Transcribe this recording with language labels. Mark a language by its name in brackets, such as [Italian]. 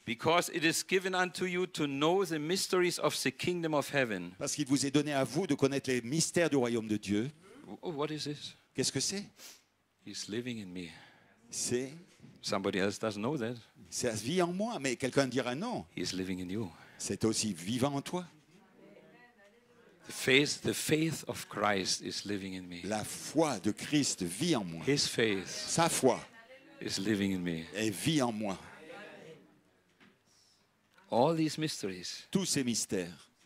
[English] Because it is given unto you to know the mysteries of the kingdom of heaven. [French] Parce qu'il vous est donné à vous de connaître les mystères du royaume de Dieu. [English] What is this? [French] Qu'est-ce que c'est? [English] He's living in me. [French] C'est. [English] Somebody else doesn't know that. [French] C'est la vie en moi, mais quelqu'un dira non. [English] He's living in you. [French] C'est aussi vivant en toi. [English] The faith of Christ is living in me. [French] La foi de Christ vit en moi. [English] His faith. [French] Sa foi. [English] Is living in me. [French] Et vit en moi. [English] All these mysteries. [French] Tous ces mystères.